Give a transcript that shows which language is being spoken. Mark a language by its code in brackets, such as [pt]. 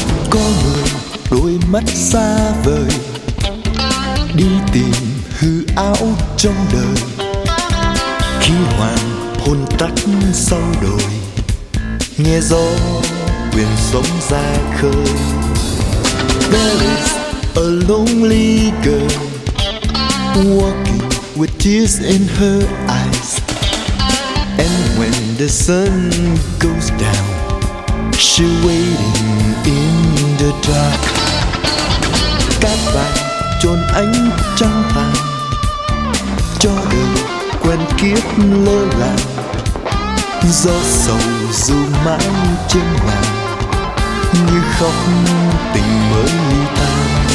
[vi] Có người đôi mắt xa vời đi tìm hư ảo trong đời. Khi hoàng hôn tắt sau đồi, nghe gió quyền sóng ra khơi. [en] There is a lonely girl walking with tears in her eyes. And when the sun goes down, she's waiting in the dark. [vi] Cát vàng chôn ánh trăng tàn, cho đời quen kiếp lơ làng. Gió sầu dù mãi trên ngàn, như khóc tình mới tan.